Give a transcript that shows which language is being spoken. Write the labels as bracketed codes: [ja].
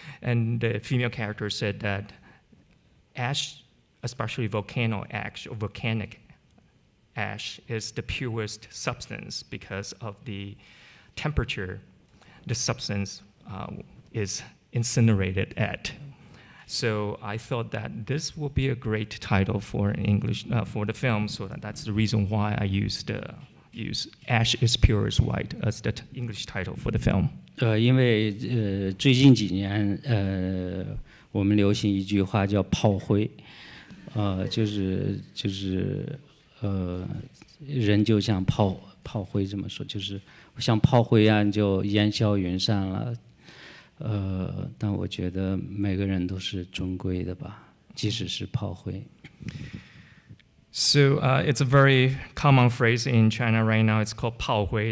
[en] And the female character said that ash, especially volcano ash, or volcanic ash, is the purest substance because of the temperature the substance is incinerated at. So I thought that this will be a great title for English for the film. So that's the reason why I use "Ash Is Purest White" as the English title for the film. [zh] 因为最近几年我们流行一句话叫炮灰，就是人就像炮灰这么说，就是像炮灰一样就烟消云散了。但我觉得每个人都是尊贵的吧，即使是炮灰。 [en] So it's a very common phrase in China right now. It's called pao hui.